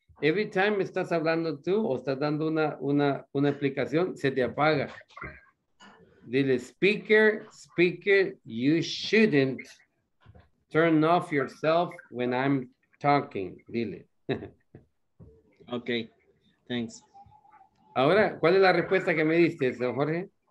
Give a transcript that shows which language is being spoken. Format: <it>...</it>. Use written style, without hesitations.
<en>Every time</en> <es>estás hablando tú o estás dando una explicación, se te apaga. Dile,</es> <en>speaker, you shouldn't turn off yourself when I'm talking.</en> <es>Dile.</es> <en>Okay, thanks.</en> <es>Ahora, ¿cuál es la respuesta que me diste, Jorge?</es>